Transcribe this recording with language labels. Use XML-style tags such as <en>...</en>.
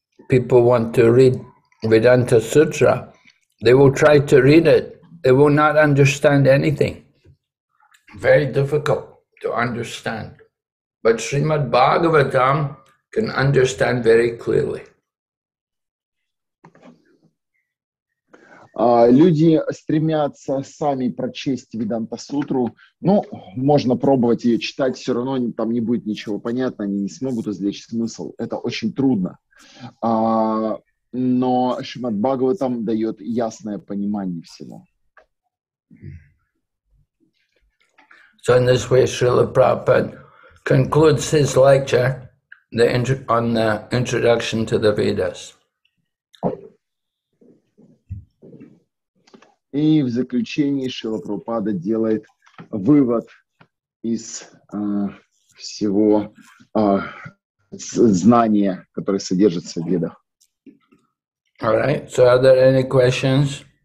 <en>People want to read Vedanta Sutra, they will try to read it, they will not understand anything. Very difficult to understand. But Srimad Bhagavatam can understand very clearly.</en> <ru>Люди стремятся сами прочесть Веданта Сутру. Ну, можно пробовать ее читать, все равно там не будет ничего понятно, они не смогут извлечь смысл. Это очень трудно. Но Шримад Бхагаватам дает ясное понимание всего.</ru> <en>So in this way, Srila Prabhupada concludes his lecture on the introduction to the Vedas.</en> <ru>И в заключении Шрила Прабхупада делает вывод из всего знания, которое содержится в Ведах.</ru> <en>All right. So are there any questions?</en>